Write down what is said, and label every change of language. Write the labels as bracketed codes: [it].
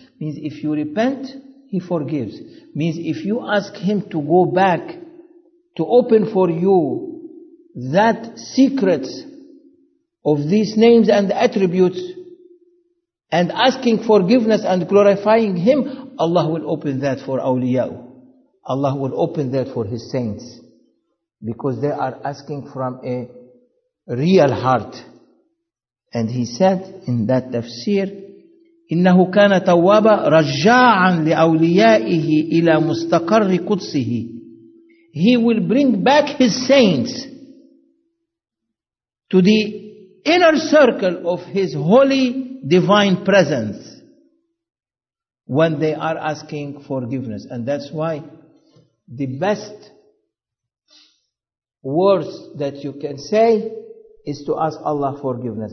[en] Means if you repent, he forgives. Means if you ask him to go back, to open for you that secrets of these names and attributes, and asking forgiveness and glorifying him, Allah will open that for awliya'u. Allah will open that for his saints. Because they are asking from a real heart. And he said in that tafsir, [ar] إِنَّهُ كَانَ تَوَّابًا رَجَّاعًا لِأَوْلِيَائِهِ إِلَى مُسْتَقَرِّ قُدْسِهِ. [en] He will bring back his saints to the inner circle of his holy divine presence when they are asking forgiveness. And that's why the best words that you can say is to ask Allah forgiveness.